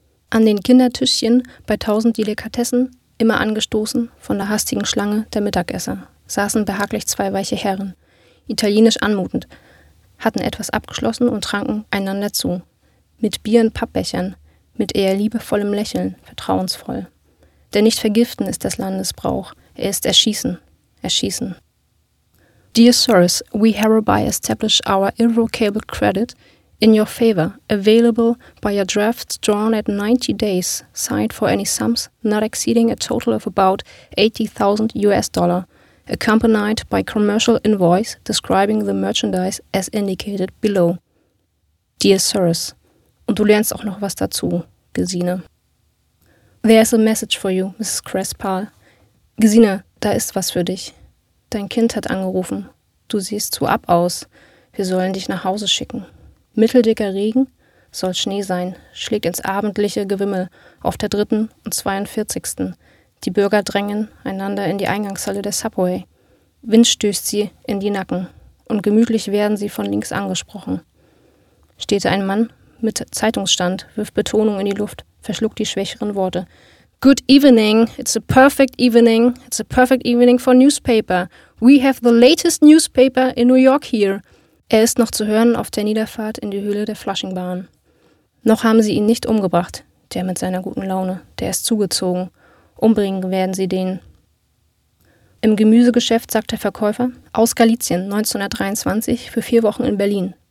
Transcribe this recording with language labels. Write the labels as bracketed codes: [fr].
[de] An den Kindertischchen bei 1000 Delikatessen, immer angestoßen von der hastigen Schlange der Mittagesser, saßen behaglich zwei weiche Herren, italienisch anmutend, hatten etwas abgeschlossen und tranken einander zu. Mit Bier in Pappbechern, mit eher liebevollem Lächeln, vertrauensvoll. Denn nicht vergiften ist des Landes Brauch, er ist erschießen, erschießen. [en] Dear Sirs, we hereby establish our irrevocable credit in your favor, available by your drafts drawn at 90 days, signed for any sums not exceeding a total of about $80,000, accompanied by commercial invoice describing the merchandise as indicated below. Dear Sirs, [de] und du lernst auch noch was dazu, Gesine. [en] There is a message for you, Mrs. Crespal. Gesine, [de] da ist was für dich. Dein Kind hat angerufen. Du siehst zu ab aus. Wir sollen dich nach Hause schicken. Mitteldicker Regen soll Schnee sein, schlägt ins abendliche Gewimmel auf der 3. und 42. Die Bürger drängen einander in die Eingangshalle des Subway. Wind stößt sie in die Nacken und gemütlich werden sie von links angesprochen. Steht ein Mann mit Zeitungsstand, wirft Betonung in die Luft, verschluckt die schwächeren Worte. [en] Good evening, it's a perfect evening, it's a perfect evening for newspaper. We have the latest newspaper in New York here. [de] Er ist noch zu hören auf der Niederfahrt in die Höhle der Flushingbahn. Noch haben sie ihn nicht umgebracht, der mit seiner guten Laune, der ist zugezogen. Umbringen werden sie den. Im Gemüsegeschäft sagt der Verkäufer, aus Galizien, 1923, für 4 Wochen in Berlin.